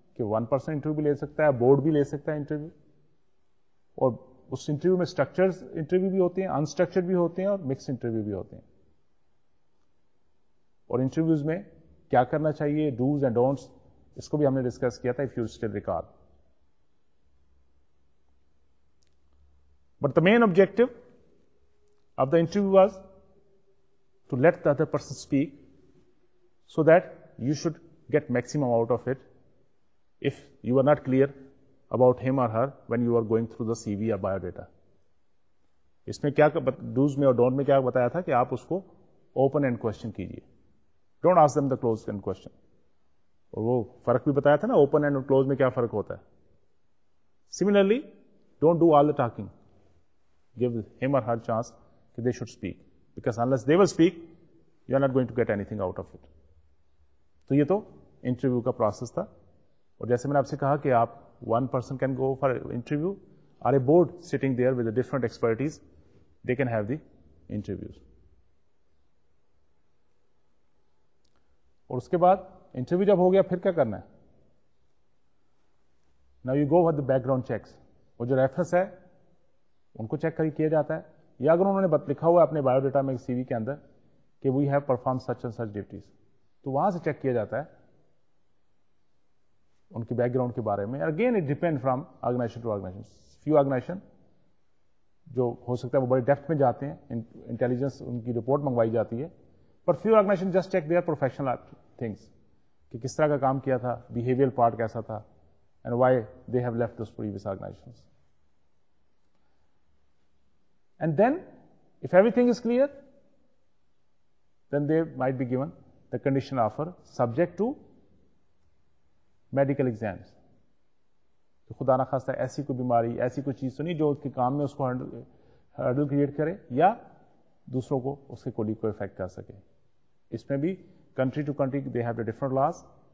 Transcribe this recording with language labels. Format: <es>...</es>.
<ur>One person interview بھی لے سکتا ہے, بورڈ بھی لے سکتا ہے انٹرویو. اور اس انٹرویو میں اسٹرکچرز انٹرویو بھی ہوتے ہیں, انسٹرکچرڈ بھی ہوتے ہیں اور مکس انٹرویو بھی ہوتے ہیں. اور انٹرویوز میں کیا کرنا چاہیے, ڈوز اینڈ ڈونٹس, اس کو بھی ہم نے ڈسکس کیا تھا</ur> <en>If you still record. But the main objective of the interview was to let the other person speak so that you should get maximum out of it. If you are not clear about him or her when you are going through the CV or biodata.</en> <ur>اس میں کیا dose میں اور don't میں کیا بتایا تھا کہ آپ اس کو اوپن اینڈ کوشچن کیجیے,</ur> <en>Don't ask them the close end question.</en> <ur>اور وہ فرق بھی بتایا تھا نا اوپن اینڈ اور کلوز میں کیا فرق ہوتا ہے.</ur> <en>similarly don't do all the talking, give him or her chance</en> <ur>کہ</ur> <en>They should speak, because unless they will speak you are not going to get anything out of it.</en> <ur>تو یہ تو interview کا process تھا. اور جیسے میں نے آپ سے کہا کہ آپ</ur> <en>One person can go for interview, or a board sitting there with different expertise, they can have the interviews.</en> <ur>اور اس کے بعد انٹرویو جب ہو گیا پھر کیا کرنا ہے؟</ur> <en>Now you go with the background checks.</en> <ur>وہ جو ریفرنس ہے ان کو چیک کیا جاتا ہے, یا اگر انہوں نے لکھا ہوا ہے اپنے بایو ڈیٹا میں سی وی کے اندر کہ</ur> <en>we have perform such and such duties,</en> <ur>تو وہاں سے چیک کیا جاتا ہے ان کی بیک گراؤنڈ کے بارے میں.</ur> <en>Again it depend from organization to organization. Few organization</en> <ur>جو ہو سکتا ہے وہ بڑے ڈیپتھ میں جاتے ہیں, انٹیلیجنس ان کی رپورٹ منگوائی جاتی ہے, پر</ur> <en>few organization just check their professional things</en> <ur>کہ کس طرح کا کام کیا تھا, بیہیویئر پارٹ کیسا تھا,</ur> <en>And why they have left this previous organization. And then if everything is clear then they might be given the condition offer subject to medical exams.</en> <ur>تو خدا نخواستہ ایسی کوئی بیماری, ایسی کوئی چیز تو نہیں جو اس کے کام میں اس کو ہرڈل کریٹ کرے یا دوسروں کو اس کے کولیگ کو افیکٹ کر سکے. اس میں بھی country to country</ur> <en>They have the different laws.</en>